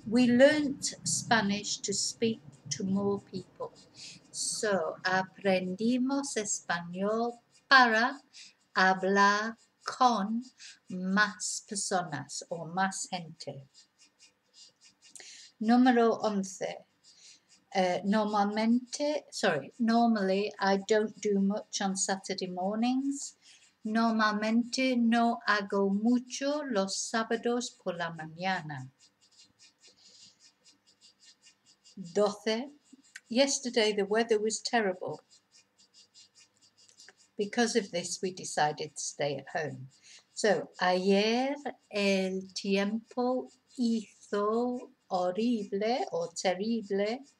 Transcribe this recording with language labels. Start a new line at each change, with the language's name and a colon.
English: We learnt Spanish to speak to more people.
Spanish: So, aprendimos español para hablar con más personas o más gente. Número 11.
English: Normally I don't do much on Saturday mornings.
Spanish: Normalmente no hago mucho los sábados por la mañana.
English: 12. Yesterday the weather was terrible. Because of this, we decided to stay at home.
Spanish: So, ayer el tiempo hizo horrible o terrible.